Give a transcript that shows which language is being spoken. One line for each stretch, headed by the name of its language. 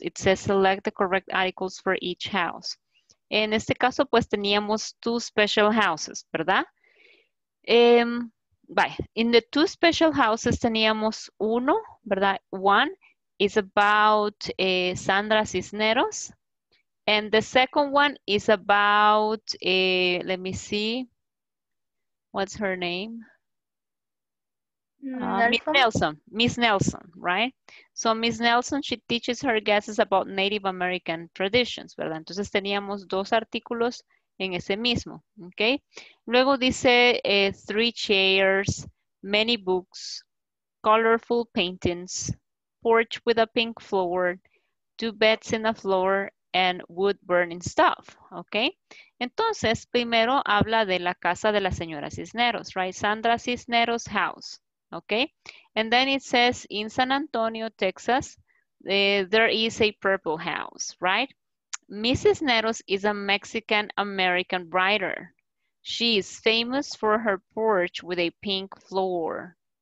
English: It says select the correct articles for each house.
Spanish: En este caso, pues teníamos two special houses, ¿verdad?
English: Vaya, in the two special houses teníamos uno, ¿verdad? One. Is about Sandra Cisneros. And the second one is about, let me see, what's her name? Miss Nelson. Miss Nelson, right? So Miss Nelson, she teaches her guests about Native American traditions, ¿verdad?
Spanish: Entonces teníamos dos artículos en ese mismo, okay?
English: Luego dice three chairs, many books, colorful paintings, porch with a pink floor, two beds in a floor, and wood burning stuff, okay?
Spanish: Entonces, primero habla de la casa de la señora Cisneros, right?
English: Sandra Cisneros house, okay? And then it says, in San Antonio, Texas, there is a purple house, right? Mrs. Cisneros is a Mexican-American writer. She is famous for her porch with a pink floor.